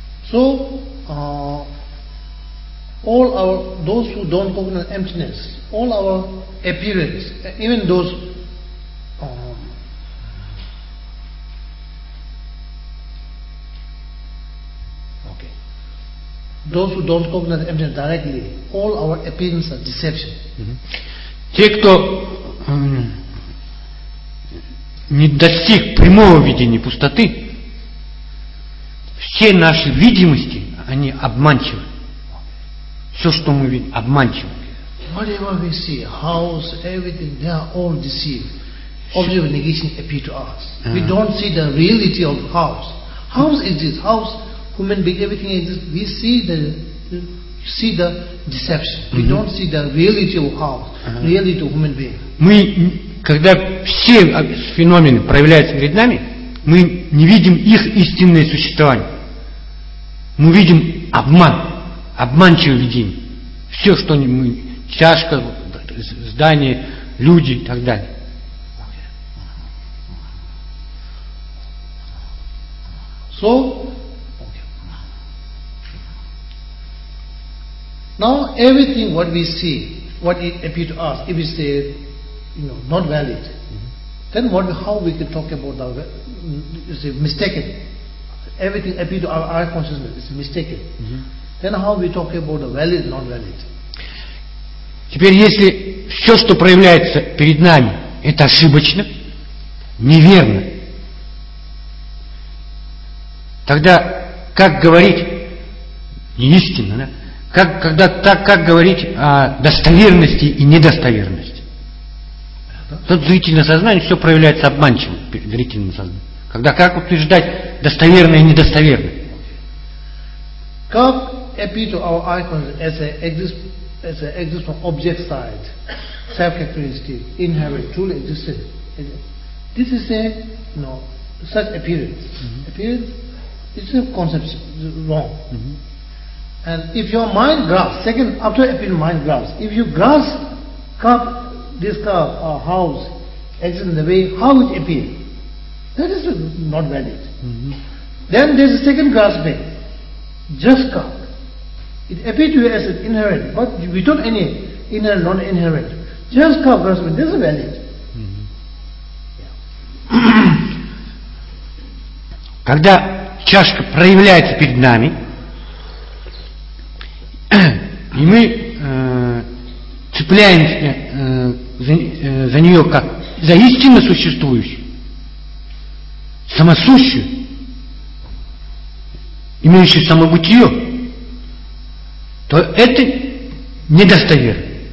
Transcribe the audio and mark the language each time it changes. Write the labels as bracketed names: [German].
[English] So, all our those who don't cognize emptiness, all our appearance, even those those who don't cognize emptiness directly, all our appearance are deception. [Russian] Те, кто не достиг прямого видения пустоты, все наши видимости, они обманчивы. Все, что мы видим, обманчиво. [English] Whatever we see, house, everything, they are all deceived. Objects of negation appear to us. We don't see the reality of house. House is this. House, human being, everything exists. We see the deception. We don't see the reality of house, reality of human being. [Russian] Мы, когда все феномены проявляются перед нами, мы не видим их истинное существование. Мы видим обман. Обманчивое видение. Все, что мы, чашка, здание, люди и так далее. [English] So, now everything what we see, what it appears to us, if we say, you know, not valid, then what, how we can talk about the, you say, mistaken. Everything appears to our consciousness is mistaken. Then how we talk about the valid, not valid? [Russian] Теперь, если все, что проявляется перед нами, это ошибочно, неверно, тогда как говорить неистинно, да? Как, когда, так, как говорить о достоверности и недостоверности? Тут зрительное сознание все проявляется обманчиво перед зрительным сознанием. Когда как утверждать достоверное и недостоверное? Как [English] appear to our icons as a exist from object side, self-characteristic, inherent, truly existent. This is a, you know, such appearance. Appearance, this is a concept wrong. And if your mind grasps, second, after appearance, mind grasps, if you grasp cup, this cup or house exists in the way how it appears, that is not valid. Then there's a second grasping, just cup. It appears to you as an inherent, but without any inherent, non-inherent. Just cup grasping, this is valid. [Russian] Когда чашка проявляется перед нами, и мы цепляемся за нее как за истинно существующую, самосущую, имеющую самобытие, то это недостоверно.